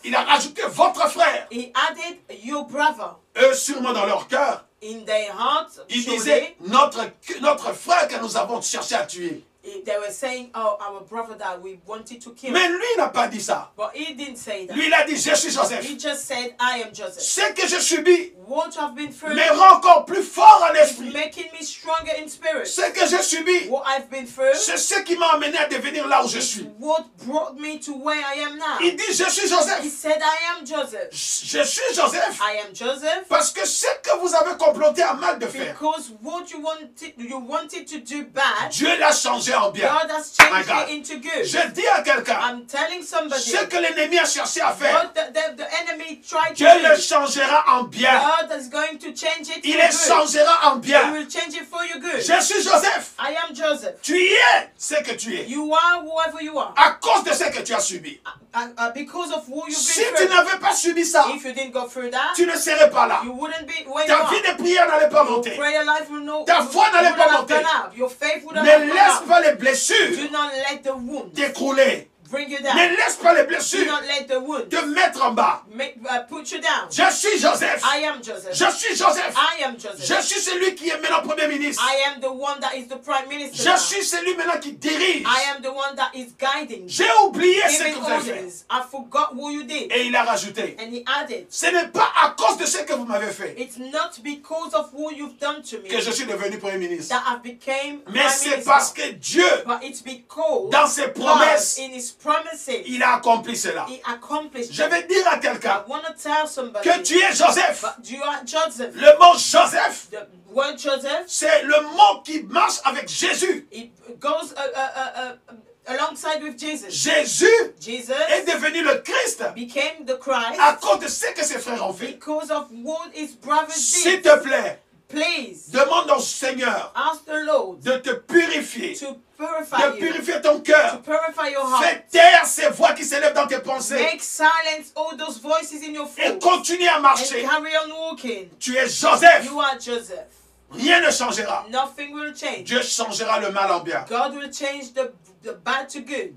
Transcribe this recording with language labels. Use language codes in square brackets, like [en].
[fr] Il a rajouté votre frère. [en] He added your brother. [fr] Eux sûrement dans leur cœur. [en] In their heart. [fr] Ils disaient notre frère que nous avons cherché à tuer. [en] They were saying, oh, our brother that we wanted to kill. [fr] Mais lui n'a pas dit ça. [en] But he didn't say that. [fr] Lui il a dit je suis Joseph. [en] He just said I am Joseph. [fr] Ce que je subis. [en] What I've been through. [fr] Me rend encore plus fort en esprit. [en] Making me stronger in spirit. [fr] Ce que je subis. [en] What I've been through. [fr] C'est ce qui m'a amené à devenir là où je suis. [en] What brought me to where I am now. [fr] Il dit je suis Joseph. [en] He said I am Joseph. [fr] Je suis Joseph. [en] I am Joseph. [fr] Parce que ce que vous avez comploté à mal de faire. [en] Because what you wanted to do bad. [fr] Dieu l'a changé. [en] God has changed it into good. [fr] Je dis à quelqu'un. [en] I'm telling somebody. [fr] Ce que l'ennemi a cherché à faire. [en] The enemy tried [fr] Dieu [en] to [fr] le changera en bien. [en] God is going to change it. [fr] Il le changera en bien. [en] He will change it for your good. [fr] Je suis Joseph. [en] I am Joseph. [fr] Tu y es ce que tu es. [en] You are whoever you are. [fr] À cause de ce que tu as subi. [en] Because of who you've been [fr] si [en] through. [fr] Si tu n'avais pas subi ça. [en] If you didn't go through that. [fr] Tu ne serais pas là. [en] You wouldn't be where [fr] Ta [en] you are. [fr] Ta vie de prière n'allait pas monter. [en] Your prayer life will not. [fr] Ta foi n'allait pas monter. [en] Your faith would have gone up. [fr] Ne laisse pas les blessures [en] Do not let the wound [fr] décoller. [en] Bring you down. [fr] Ne laisse pas les blessures [en] Do not let the wound [fr] te mettre en bas. [en] Put you down. [fr] Je suis Joseph. [en] I am Joseph. [fr] Je suis Joseph. [en] I am Joseph. [fr] Je suis celui qui est maintenant premier ministre. [en] I am the one that is the prime minister. [fr] Je [en] now. [fr] Suis celui maintenant qui dirige. [en] I am the one that is guiding. [fr] J'ai oublié ce que vous avez fait. [en] I forgot what you did. [fr] Et il a rajouté. [en] And he added. [fr] Ce n'est pas à cause de ce que vous m'avez fait. [en] It's not because of what you've done to me. [fr] Que je suis devenu premier ministre. [en] That I became prime minister. [fr] Mais c'est parce que Dieu. [en] But it's because. [fr] Dans ses promesses. [en] God, in his promises. [fr] Il a accompli cela. [en] He accomplished. [fr] Je vais dire à quelqu'un. [en] I want to tell somebody [fr] que tu es Joseph. [en] But you are Joseph. [fr] Le mot Joseph, [en] the word Joseph, [fr] c'est le mot qui marche avec Jésus. [en] It goes alongside with Jesus. [fr] Jésus est devenu le Christ, [en] became the Christ [fr] à cause de ce que ses frères ont fait. [en] Because of what his brothers did. [fr] S'il te plaît, [en] please, [fr] demande au Seigneur [en] ask the Lord [fr] de te purifier. [en] To [fr] de purifier ton cœur. Fais taire ces voix qui s'élèvent dans tes pensées. [en] Make silence all those voices in your thoughts. [fr] Et continue à marcher. [en] And carry on walking. [fr] Tu es Joseph. [en] You are Joseph. [fr] Rien ne changera. [en] Nothing will change. [fr] Dieu changera le mal en bien. [en] God will change the bad to good.